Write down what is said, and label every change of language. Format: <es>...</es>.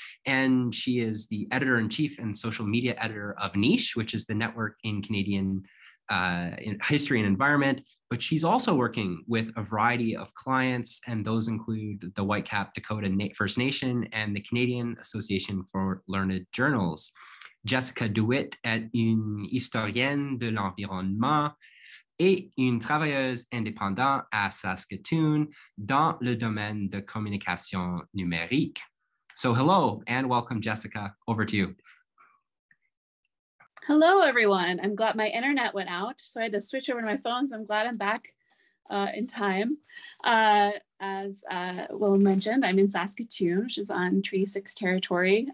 <en>And she is the editor-in-chief and social media editor of Niche, which is the network in Canadian history and environment. But she's also working with a variety of clients, and those include the Whitecap Dakota First Nation and the Canadian Association for Learned Journals.</en> <fr>Jessica DeWitt est une historienne de l'environnement et une travailleuse indépendante à Saskatoon dans le domaine de communication numérique.</fr> <en>So hello and welcome, Jessica, over to you. Hello, everyone. I'm glad my internet went out, so I had to switch over to my phone. So I'm glad I'm back in time. As Will mentioned, I'm in Saskatoon, which is on Treaty 6 territory.</en>